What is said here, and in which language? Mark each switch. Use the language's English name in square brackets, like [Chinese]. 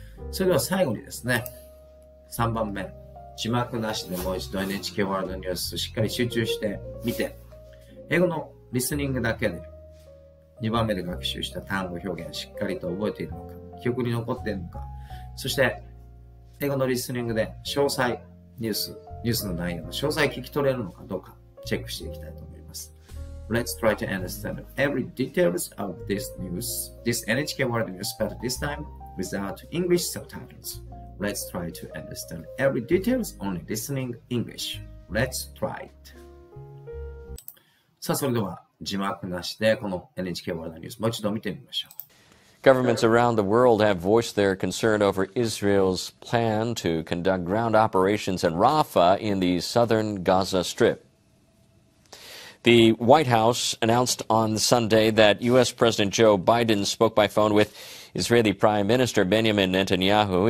[Japanese] それでは最後にですね、3番目、字幕なしでもう一度 NHK ワールドニュースしっかり集中して見て、英語のリスニングだけで2番目で学習した単語表現しっかりと覚えているのか、記憶に残っているのか、そして英語のリスニングで詳細ニュースの内容の詳細聞き取れるのかどうかチェックしていきたいと思います。 [English] Let's try to understand every details of this news this NHK World News but this time without English subtitles. Let's try to understand every details only listening English. Let's try it. [Japanese] さあそれでは字幕なしでこの NHK ワールドニュースもう一度見てみましょう。 [English] Governments around the world have voiced their concern over Israel's plan to conduct ground operations in Rafah in the southern Gaza Strip. The White House announced on Sunday that U.S. President Joe Biden spoke by phone with Israeli Prime Minister Benjamin Netanyahu.